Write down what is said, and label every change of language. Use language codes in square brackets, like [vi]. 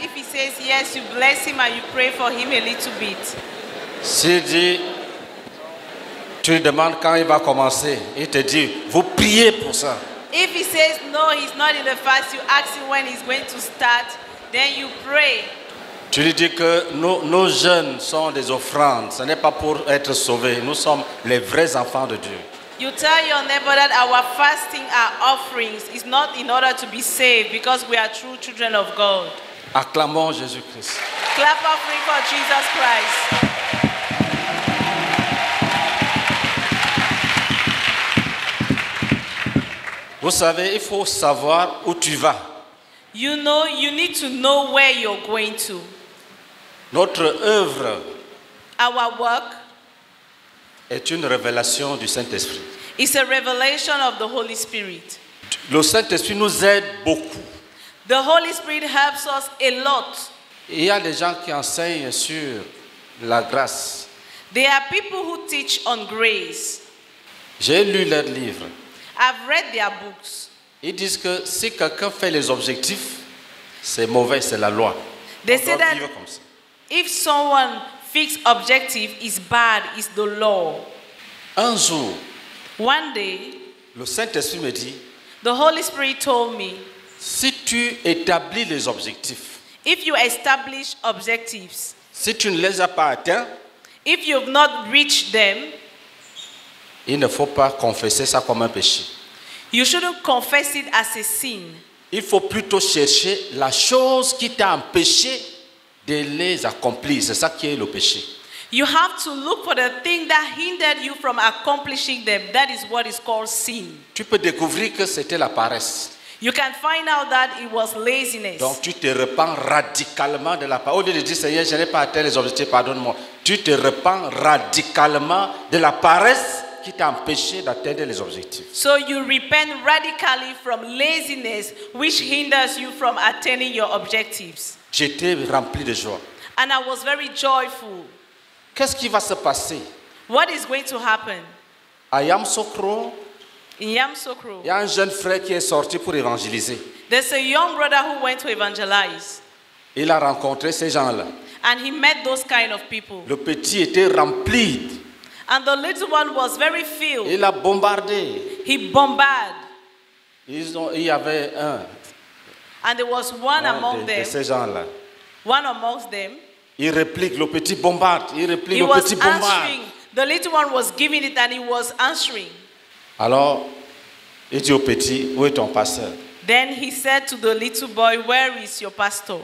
[en] If he says yes, you bless him and you pray for him a little bit. [fr] S'il dit, tu lui demandes quand il va commencer. Il te dit, vous priez pour ça. [en] If he says no, he's not in the fast, you ask him when he's going to start. Then you pray. [fr] Tu lui dis que nos jeunes sont des offrandes. Ce n'est pas pour être sauvés. Nous sommes les vrais enfants de Dieu. [en] You tell your neighbor that our fasting are offerings. It's not in order to be saved because we are true children of God. [fr] Acclamons Jésus-Christ. [en] Clap offering for Jesus Christ. [fr] Vous savez, il faut savoir où tu vas. [en] You know, you need to know where you're going to. [fr] Notre œuvre, [en] our work, [fr] est une révélation du Saint-Esprit. [en] It's a revelation of the Holy Spirit. [fr] Le Saint-Esprit nous aide beaucoup. [en] The Holy Spirit helps us a lot. [fr] Il y a des gens qui enseignent sur la grâce. [en] There are people who teach on grace. [fr] J'ai lu leurs livres. [en] I've read their books. [fr] Ils disent que si quelqu'un fait les objectifs, c'est mauvais, c'est la loi. [en] They say that if someone fixes objectives, it's bad, it's the law. [fr] Un jour, [en] one day, [fr] le Saint-Esprit me dit, [en] the Holy Spirit told me, [fr] si tu établis les objectifs, [en] if you establish objectives, [fr] si tu ne les as pas atteints, [en] if you've not reached them, [fr] il ne faut pas confesser ça comme un péché. [en] You shouldn't confess it as a sin. [fr] Il faut plutôt chercher la chose qui t'a empêché de les accomplir. C'est ça qui est le péché. [en] You have to look for the thing that hindered you from accomplishing them. That is what is called sin. [fr] Tu peux découvrir que c'était la paresse. [en] You can find out that it was laziness. [fr] Donc tu te repens radicalement de la paresse. Au lieu de dire, Seigneur, je n'ai pas atteint les objectifs, pardonne-moi. Tu te repens radicalement de la paresse qui t'a empêché d'atteindre les objectifs. [en] So you repent radically from laziness, which hinders you from attaining your objectives. [fr] J'étais rempli de joie. [en] And I was very joyful. [fr] Qu'est-ce qui va se passer? [en] What is going to happen? [fr] À Yamsokro, [en] Yamsokro, [fr] il y a un jeune frère qui est sorti pour évangéliser. [en] There's a young brother who went to evangelize. [fr] Il a rencontré ces gens-là. [en] And he met those kind of people. [fr] Le petit était rempli. [en] And the little one was very filled. [fr] Il a bombardé. [en] He bombarded. And there was one among them. [fr] De ces gens-là. [en] One amongst them. [fr] Il réplique, le petit bombarde. Il réplique, le petit bombarde. [en] He was answering. The little one was giving it and he was answering. [fr] Alors, il dit au petit, où est ton pasteur? [en] Then he said to the little boy, where is your pastor?